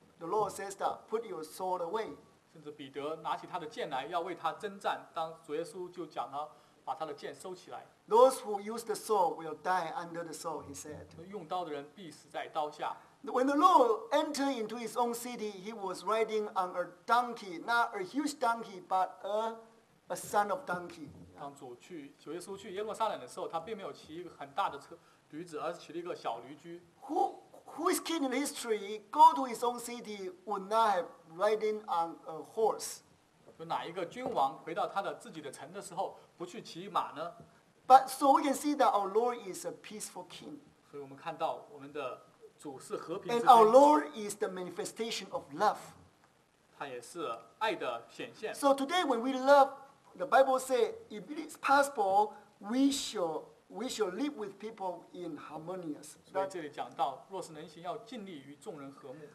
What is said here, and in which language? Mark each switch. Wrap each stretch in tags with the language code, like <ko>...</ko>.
<en>The Lord says that, put your sword away.</en> <zh>甚至彼得拿起他的剑来要为他征战，当主耶稣就讲他把他的剑收起来。</zh> <en>Those who use the sword will die under the sword, he said.</en> <zh>用刀的人必死在刀下。</zh> <en>When the Lord entered into his own city, he was riding on a donkey, not a huge donkey, but a son of donkey.</en> <zh>当主耶稣去耶路撒冷的时候，他并没有骑一个很大的车。驴子，而是骑了一个小驴驹。</zh> <en>Who is king in history? Go to his own city would not have riding on a horse.</en> <zh>就哪一个君王回到他的自己的城的时候，不去骑马呢</zh> <en>？But so we can see that our Lord is a peaceful king.</en> <zh>所以我们看到我们的主是和平。</zh> <en>And our Lord is the manifestation of love.</en> <zh>他也是爱的显现。</zh> <en>So today when we love, the Bible says, if it is possible, we shall live with people in harmonious.</en> <zh>所以这里讲到，若是能行，要尽力与众人和睦。</zh>